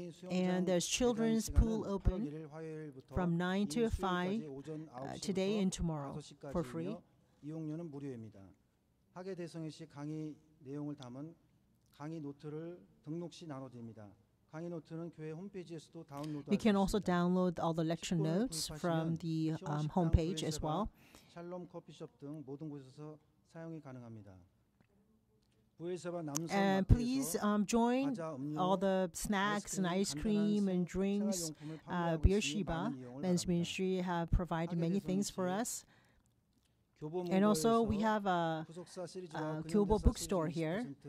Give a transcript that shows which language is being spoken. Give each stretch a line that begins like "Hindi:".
English: And there's children's pool open from 9 to 5 today and tomorrow for free.
Korean: 이용료는 무료입니다. 학예 대성회 시 강의 내용을 담은 강의 노트를 등록 시 나눠드립니다. 강의 노트는 교회 홈페이지에서도 다운로드.
English: We can also download all the lecture notes from the homepage as well.
Korean: 샬롬 커피숍 등 모든 곳에서 사용이 가능합니다.
English: And please join all the snacks and ice cream and drinks. Beersheba, Men's Ministry have provided many things for us. And also we have a Kyobo bookstore here.